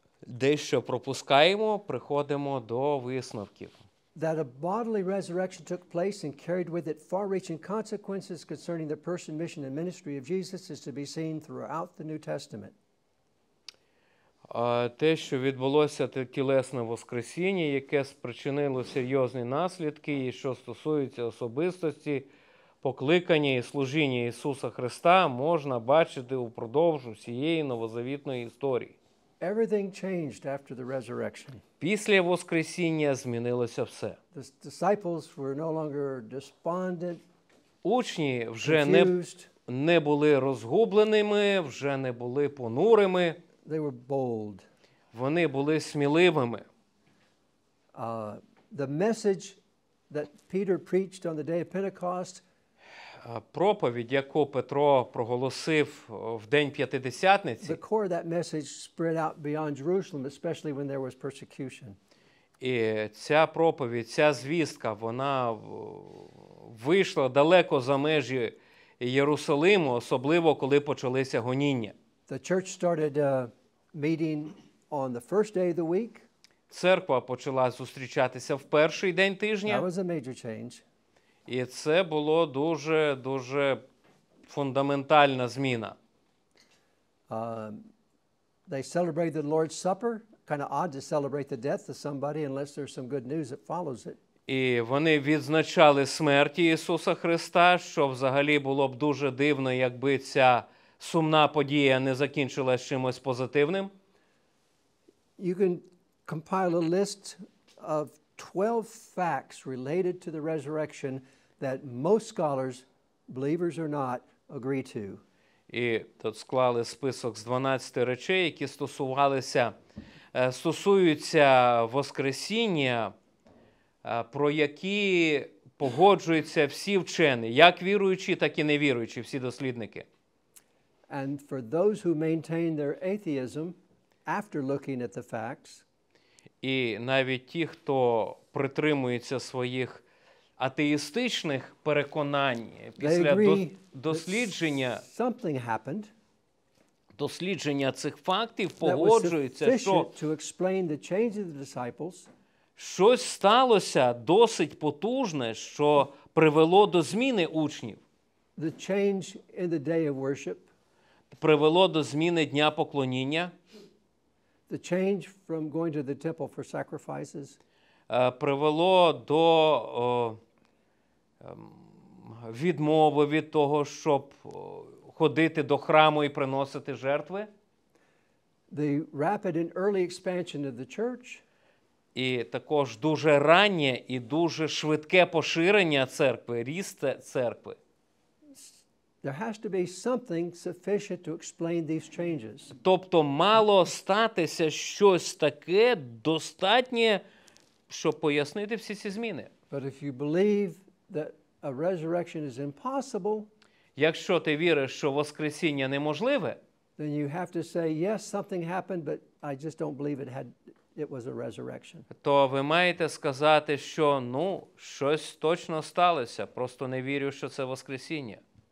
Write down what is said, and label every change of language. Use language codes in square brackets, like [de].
[uk] Дещо пропускаємо, приходимо до висновків. [en] That a bodily resurrection took place and carried with it far-reaching consequences concerning the person, mission, and ministry of Jesus is to be seen throughout the New Testament. [uk] Те, що відбулося, те тілесне воскресіння, яке спричинило серйозні наслідки, і що стосується особистості, покликання і служіння Ісуса Христа, можна бачити упродовж усієї новозавітної історії. [en] Everything changed after the resurrection. [uk] Після воскресіння змінилося все. [en] The disciples were no longer despondent. [uk] Учні вже не були розгубленими, вже не були понурими. [en] They were bold. [uk] Вони були сміливими. [en] The message that Peter preached on the day of Pentecost. [uk] Проповідь, яку Петро проголосив в день П'ятидесятниці. [en] The core of that message spread out beyond Jerusalem, especially when there was persecution. [uk] І ця проповідь, ця звістка, вона вийшла далеко за межі Єрусалиму, особливо коли почалися гоніння. [en] The church started meeting on the first day of the week. [uk] Церква почала зустрічатися в перший день тижня. [en] That was a major change. [uk] І це було дуже-дуже фундаментальна зміна. [en] They celebrated the Lord's Supper. Kind of odd to celebrate the death of somebody unless there's some good news that follows it. [uk] І вони відзначали смерть Ісуса Христа, що взагалі було б дуже дивно, якби ця сумна подія не закінчилась чимось позитивним. [en] You can compile a list of 12 facts related to the resurrection that most scholars, believers or not, agree to. [uk] І тут склали список з 12 речей, які стосувалися стосуються воскресіння, про які погоджуються всі вчені, як віруючі, так і невіруючі, всі дослідники. [en] And for those who maintain their atheism after looking at the facts, [uk] і навіть ті, хто притримується своїх атеїстичних переконань після дослідження, [en] something happened. [uk] Дослідження цих фактів погоджується, що [en] to explain the change of the disciples. [uk] Щось сталося досить потужне, що привело до зміни учнів. [en] The change in the day of worship. [uk] Привело до зміни дня поклоніння. [en] The change from going to the temple for sacrifices. [uk] Привело до відмови від того, щоб ходити до храму і приносити жертви. [en] The rapid and early expansion of the church. [uk] І також дуже раннє і дуже швидке поширення церкви, ріст церкви. [en] There has to be something sufficient to explain these changes. [uk] Тобто мало статися щось таке достатнє, щоб пояснити всі ці зміни. [en] But if you believe that a resurrection is impossible, [uk] якщо ти віриш, що воскресіння неможливе, [en] then you have to say yes, something happened, but I just don't believe it had it was a resurrection. [uk] То ви маєте сказати, що, ну, щось точно сталося, просто не вірю, що це воскресіння.